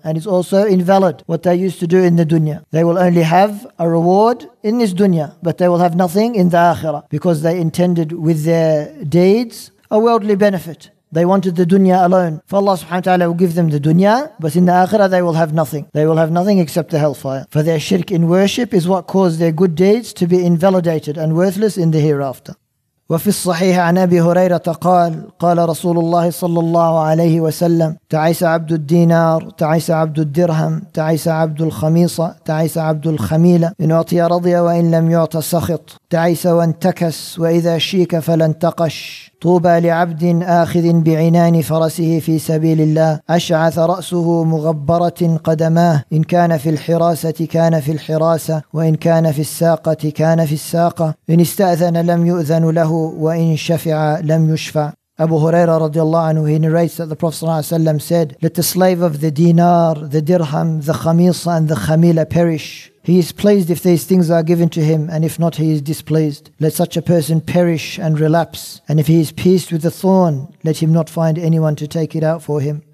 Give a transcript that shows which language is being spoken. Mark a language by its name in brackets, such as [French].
[English] And it's also invalid what they used to do in the dunya. They will only have a reward in this dunya, but they will have nothing in the akhirah, because they intended with their deeds a worldly benefit. They wanted the dunya alone. For Allah subhanahu wa ta'ala will give them the dunya, but in the akhirah they will have nothing. They will have nothing except the hellfire. For their shirk in worship is what caused their good deeds to be invalidated and worthless in the hereafter. [Arabic] وفي الصحيح عن أبي هريرة قال قال رسول الله صلى الله عليه وسلم تعيس عبد الدينار تعيس عبد الدرهم تعيس عبد الخميصة تعيس عبد الخميلة إن أعطي رضي وإن لم يعط سخط تعيس وانتكس وإذا شيك فلن تقش طوبى لعبد آخذ بعنان فرسه في سبيل الله أشعث رأسه مغبرة قدماه إن كان في الحراسة كان في الحراسة وإن كان في الساقة كان في الساقة إن استأذن لم يؤذن له وإن شفع لم يشفع. [English] Abu Huraira radiallahu anhu, he narrates that the Prophet ﷺ said, let the slave of the dinar, the dirham, the khamisa and the khamila perish. He is pleased if these things are given to him, and if not, he is displeased. Let such a person perish and relapse. And if he is pierced with the thorn, let him not find anyone to take it out for him.